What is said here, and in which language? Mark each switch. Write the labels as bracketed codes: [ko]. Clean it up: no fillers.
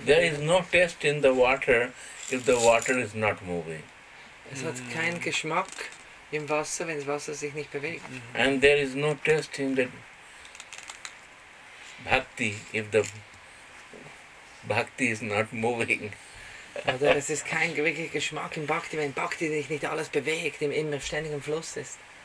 [de] verlieren? [en] There is no taste in the water if the water is not moving. [de] Es hat keinen Geschmack im Wasser, wenn das Wasser sich nicht bewegt. [en] And there is no taste in the bhakti if the bhakti is not moving. [de] Oder es ist kein wirklicher Geschmack im Bhakti, wenn Bhakti sich nicht alles bewegt, im immer ständigen Fluss ist.